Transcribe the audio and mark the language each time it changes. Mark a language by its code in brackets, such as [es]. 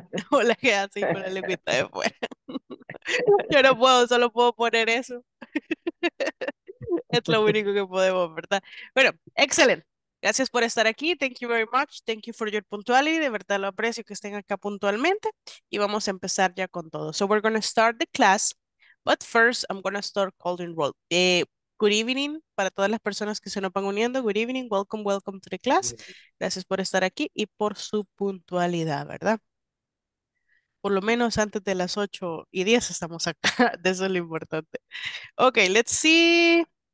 [es] Hola, ¿qué hace? Y con la lengüita de fuera. Yo no puedo, solo puedo poner eso. Es lo único que podemos, ¿verdad? Bueno, excelente. Gracias por estar aquí. [en] Thank you very much. Thank you for your punctuality. [es] De verdad lo aprecio que estén acá puntualmente. Y vamos a empezar ya con todo. [en] So we're going to start the class. But first, I'm going to start calling roll. Good evening [es] para todas las personas que se nos van uniendo. Good evening. [en] Welcome, welcome to the class. [es] Gracias por estar aquí y por su puntualidad, ¿verdad? Por lo menos antes de las 8 y 10 estamos acá. Eso es lo importante. [en] Ok, let's see.